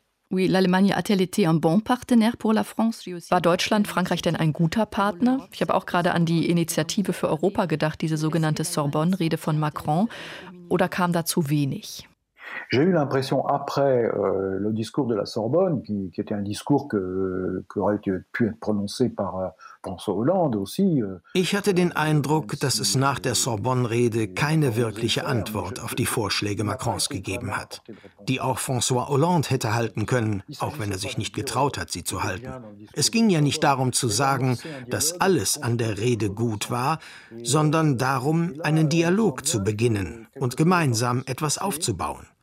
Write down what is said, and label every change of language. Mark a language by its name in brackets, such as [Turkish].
[French] Oui, l'Allemagne a-t-elle été un bon partenaire pour la France? [German] War Deutschland, Frankreich denn ein guter Partner? Ich habe auch gerade an die Initiative für Europa gedacht, diese sogenannte Sorbonne-Rede von Macron. Oder kam da zu wenig? [French] J'ai eu l'impression après le discours de la Sorbonne, qui était un discours que aurait pu être prononcé par François Hollande aussi. [German] Ich hatte den Eindruck, dass es nach der Sorbonne-Rede keine wirkliche Antwort auf die Vorschläge Macrons gegeben hat, die auch François Hollande hätte halten können, auch wenn er sich nicht getraut hat, sie zu halten. Es ging ja nicht darum zu sagen, dass alles an der Rede gut war, sondern darum, einen Dialog zu beginnen und gemeinsam etwas aufzubauen.